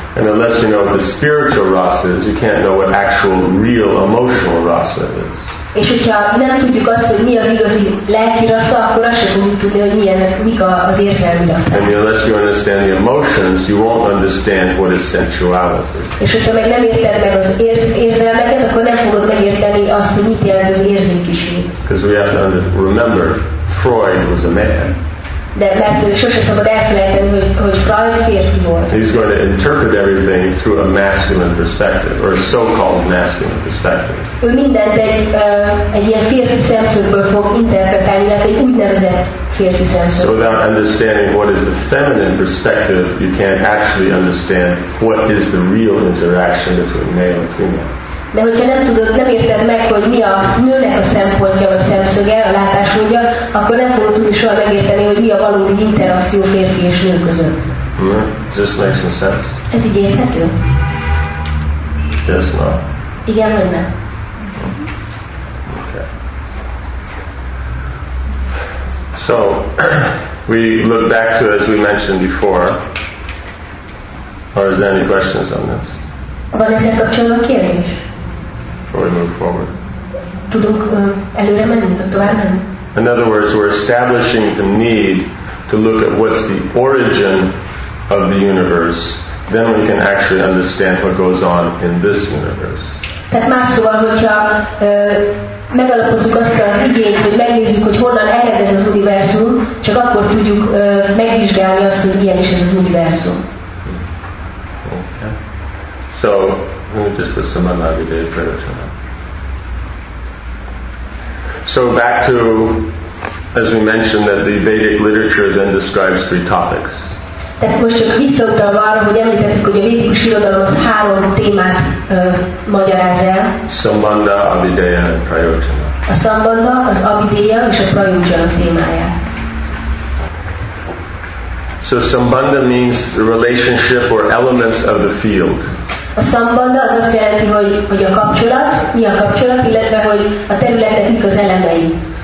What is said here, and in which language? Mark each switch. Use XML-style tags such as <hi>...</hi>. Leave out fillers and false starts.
<en>And unless you know what the spiritual rasa is, you can't know what actual, real emotional rasa is.</en> <hu>És hogyha nem tudjuk azt, hogy mi az igazi lelki rasza, akkor azt sem fogjuk tudni, hogy mik az érzelmi rasza.</hu> <en>And unless you understand the emotions, you won't understand what is sensuality.</en> <hu>És hogyha meg nem érted meg az érzelmeket, akkor nem fogod megérteni azt, hogy mit jelent az érzékiség.</hu> <en>Because we have to remember, Freud was a man.</en> <hu>De mert sose szabad elfelejteni, hogy Freud férfi volt.</hu> <en>He's going to interpret everything through a masculine perspective, or a so-called masculine perspective.</en> <hu>Ő mindent egy ilyen férfi szemszögből fog interpretálni, illetve egy úgynevezett férfi szemszögből.</hu> <en>So without understanding what is the feminine perspective, you can't actually understand what is the real interaction between male and female.</en> <hu>De hogyha nem tudod, nem érted meg, hogy mi a nőnek a szempontja vagy szemszöge, a látásmódja, akkor nem fogod tudni soha megérteni, hogy mi a valódi interakció férfi és nő között.</hu> <en>Hmm. Does this make some sense?</en> <hu>Ez így érthető?</hu> <en>Yes, no.</en> <hu>Igen, vagy nem?</hu> <en>So, we look back to, as we mentioned before, or is there any questions on this?</en> <hu>Van ezzel kapcsolatban kérdés?</hu> <en>Before we move forward.</en> <hu>Tudunk előre menni, vagy tovább menni?</hu> <en>In other words, we're establishing the need to look at what's the origin of the universe, then we can actually understand what goes on in this universe.</en> <hu>Tehát más szóval, hogyha megalapozzuk azt az igényt, hogy megnézzük, hogy honnan ered ez az univerzum, csak akkor tudjuk megvizsgálni azt, hogy milyen is ez az univerzum.</hu> <en>Okay. So, let me just put some analogies there for now. So back to, as we mentioned, that the Vedic literature then describes three topics.</en> <hu>Tehát most csak visszautalva arra, hogy említettük, hogy a védikus irodalom az három témát magyaráz el.</hu> <en>Sambandha, Abhideya and Prayojana.</en> <hu>A Sambandha, az Abhideya és a Prayojana témája.</hu> <en>So Sambandha means the relationship or elements of the field.</en> <hu>A Sambandha az azt jelenti, hogy a kapcsolat, mi a kapcsolat, illetve hogy a területek mik az elemei.</hu>